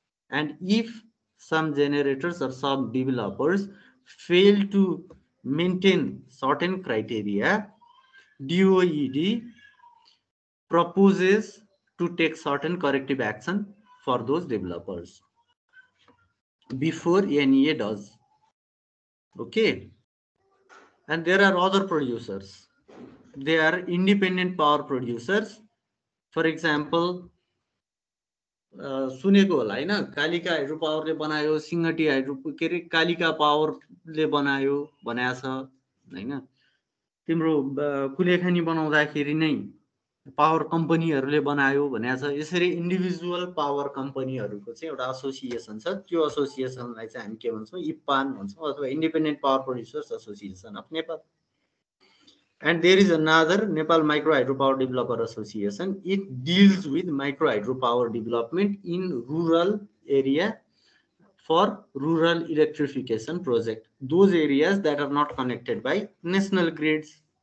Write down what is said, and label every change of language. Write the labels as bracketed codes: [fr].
[en] And if some generators or some developers fail to maintain certain criteria, DOED proposes to take certain corrective action for those developers before NEA does. Okay. And there are other producers. They are independent power producers. [ne] For example, सुनेको होला होइन Kalika hydro पावरले बनायो, सिंहटी hydro के अरे कालिका पावरले बनायो बनाएको छ होइन, तिम्रो कुलेखानी बनाउँदाखेरि नै पावर कम्पनीहरूले बनायो भनेको छ, यसरी इन्डिभिजुअल पावर कम्पनीहरूको चाहिँ एउटा एसोसिएसन छ, त्यो एसोसिएसनलाई चाहिँ हामी के भन्छौँ, इप्पान भन्छौँ, अथवा independent power producers association of Nepal. [en] And there is another, Nepal Micro Hydropower Developer Association. It deals with micro hydropower development in rural area for rural electrification project. Those areas that are not connected by national grids.